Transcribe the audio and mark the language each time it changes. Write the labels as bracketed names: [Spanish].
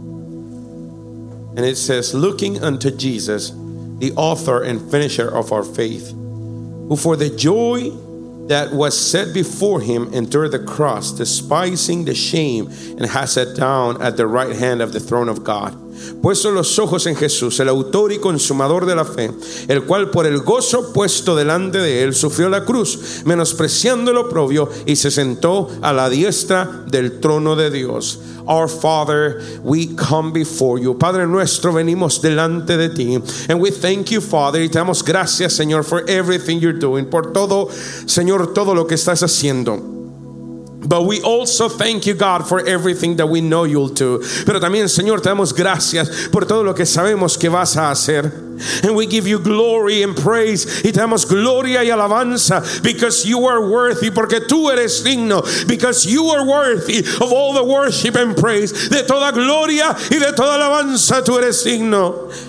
[English] And it says, looking unto Jesus, the author and finisher of our faith, who for the joy that was set before him endured the cross, despising the shame, and has sat down at the right hand of the throne of God. [Spanish] Puesto los ojos en Jesús, el autor y consumador de la fe, el cual por el gozo puesto delante de él sufrió la cruz, menospreciando el oprobio, y se sentó a la diestra del trono de Dios. [English] Our Father, we come before you. [Spanish] Padre nuestro, venimos delante de ti. [English] And we thank you, Father, [Spanish] y te damos gracias, Señor, [English] for everything you're doing, [Spanish] por todo, Señor, todo lo que estás haciendo. [English] But we also thank you, God, for everything that we know you'll do. [Spanish] Pero también, Señor, te damos gracias por todo lo que sabemos que vas a hacer. [English] And we give you glory and praise. [Spanish] Y te damos gloria y alabanza. [English] Because you are worthy. [Spanish] Porque tú eres digno. [English] Because you are worthy of all the worship and praise. [Spanish] De toda gloria y de toda alabanza tú eres digno.